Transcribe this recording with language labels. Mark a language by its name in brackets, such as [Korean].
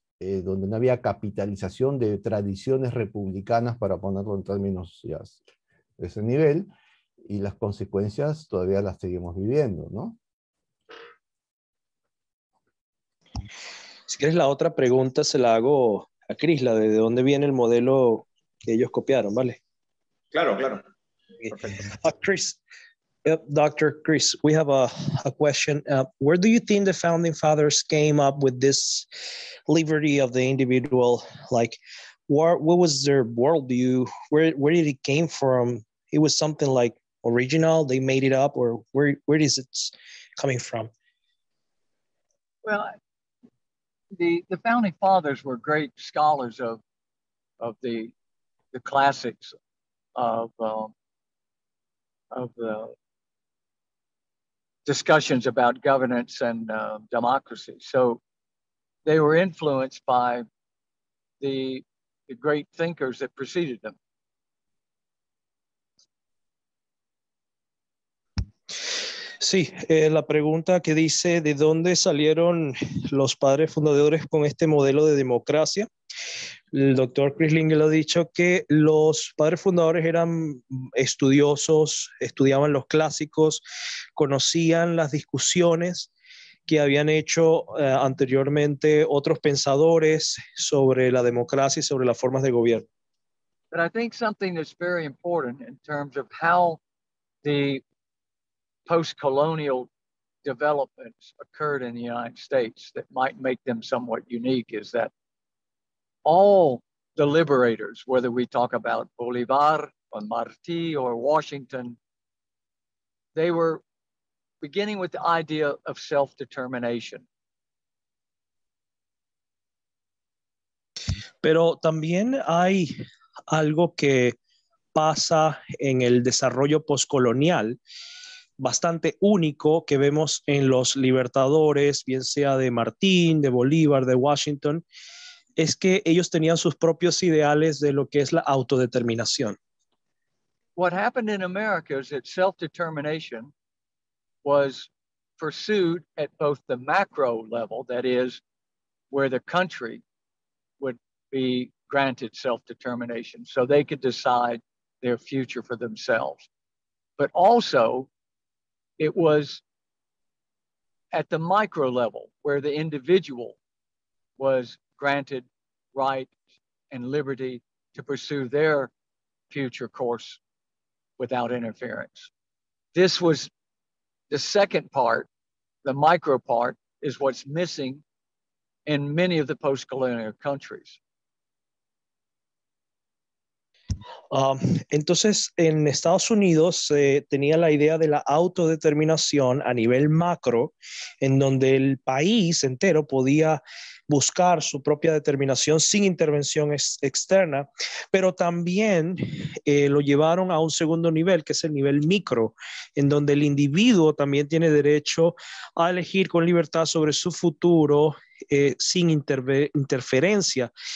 [Spanish] donde no había capitalización de tradiciones republicanas, para ponerlo en términos ya de ese nivel, y las consecuencias todavía las seguimos viviendo, ¿no? Si quieres, la otra pregunta se la hago a Chris, la de dónde viene el modelo que ellos copiaron, ¿vale? Claro, claro. Chris, Dr. [English] Chris, we have a question. Where do you think the founding fathers came up with this liberty of the individual? Like, what was their worldview? Where did it came from? It was something like original, they made it up, or where is it coming from? Well, the founding fathers were great scholars of the classics of the discussions about governance and democracy. So they were influenced by the great thinkers that preceded them. [Spanish] Sí, la pregunta que dice de dónde salieron los padres fundadores con este modelo de democracia. El doctor Chris Lingle ha dicho que los padres fundadores eran estudiosos, estudiaban los clásicos, conocían las discusiones que habían hecho anteriormente otros pensadores sobre la democracia y sobre las formas de gobierno. [English] But I think something that's very important in terms of how the post-colonial developments occurred in the United States that might make them somewhat unique is that all the liberators, whether we talk about Bolivar or Martí or Washington, they were beginning with the idea of self-determination. [Spanish] Pero también hay algo que pasa en el desarrollo postcolonial bastante único que vemos en los libertadores, bien sea de Martín, de Bolívar, de Washington, es que ellos tenían sus propios ideales de lo que es la autodeterminación. [English] What happened in America is that self-determination was pursued at both the macro level, that is, where the country would be granted self-determination, so they could decide their future for themselves. But also, it was at the micro level where the individual was granted rights and liberty to pursue their future course without interference. This was the second part, the micro part, is what's missing in many of the post-colonial countries. [Spanish] Entonces, en Estados Unidos se tenía la idea de la autodeterminación a nivel macro, en donde el país entero podía buscar su propia determinación sin intervención externa, pero también lo llevaron a un segundo nivel, que es el nivel micro, en donde el individuo también tiene derecho a elegir con libertad sobre su futuro sin interferencia.